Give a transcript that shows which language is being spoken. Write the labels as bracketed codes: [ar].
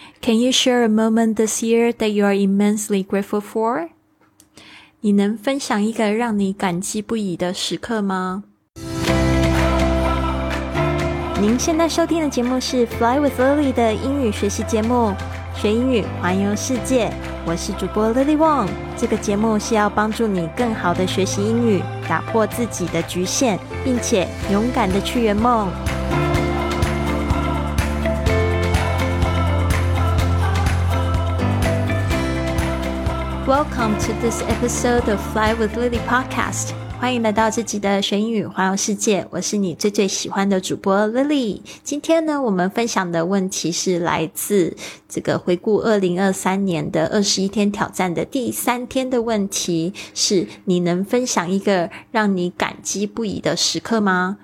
[en] Can you share a moment this year that you are immensely grateful for? [zh] 你能分享一个让你感激不已的时刻吗？您现在收听的节目是 Fly with Lily 的英语学习节目，学英语环游世界。我是主播 Lily Wong。这个节目是要帮助你更好的学习英语，打破自己的局限，并且勇敢的去圆梦。 [en] Welcome to this episode of Fly with Lily podcast. [zh] 欢迎来到这集的学英语环游世界，我是你最最喜欢的主播 Lily。今天呢，我们分享的问题是来自这个回顾2023年的21天挑战的第三天的问题，是你能分享一个让你感激不已的时刻吗？